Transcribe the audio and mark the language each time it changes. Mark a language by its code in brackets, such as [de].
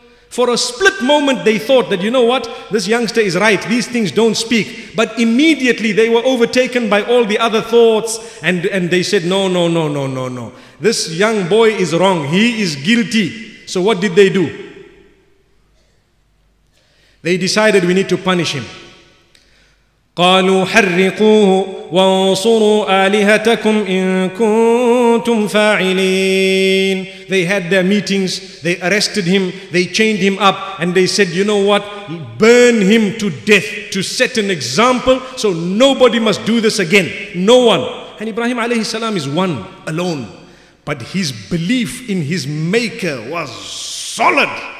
[en] For a split moment they thought that, you know what, this youngster is right, these things don't speak. But immediately they were overtaken by all the other thoughts, and they said, no, this young boy is wrong, he is guilty. So what did they do? They decided, we need to punish him. [ar] قالوا حرقوه وانصروا آلهتكم إن كنتم فاعلين. [en] They had their meetings, they arrested him, they chained him up, and they said, you know what, burn him to death to set an example so nobody must do this again, no one. And Ibrahim alayhi salam is one, alone. But his belief in his maker was solid.